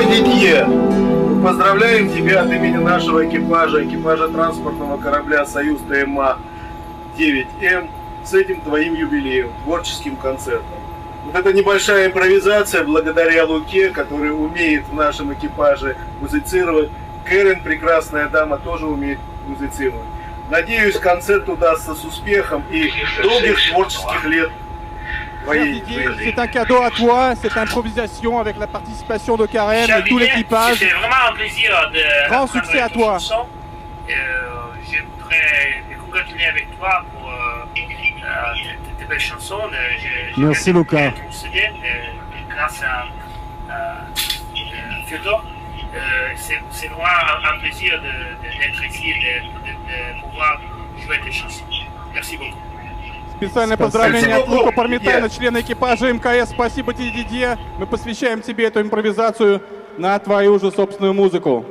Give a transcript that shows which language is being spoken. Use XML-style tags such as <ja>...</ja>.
<ru>Поздравляем тебя от имени нашего экипажа, экипажа транспортного корабля «Союз ТМА-9М» с этим твоим юбилеем, творческим концертом. Вот эта небольшая импровизация благодаря Луке, который умеет в нашем экипаже музицировать. Кэрин, прекрасная дама, тоже умеет музицировать. Надеюсь, концерт удастся с успехом и долгих творческих лет.</ru> <fr>C'est un cadeau à toi, cette improvisation avec la participation de Karen et tout l'équipage. C'est vraiment un plaisir de. Grand succès à toi. Je voudrais te congratuler avec toi pour tes belles chansons. Merci Luca. Grâce à Fyodor. C'est vraiment un plaisir d'être ici et de pouvoir jouer tes chansons. Merci beaucoup.</fr> <ru>Специальное поздравление от Луко Пармитана, члена экипажа МКС. Спасибо тебе, Дидье. Мы посвящаем тебе эту импровизацию на твою же собственную музыку.</ru>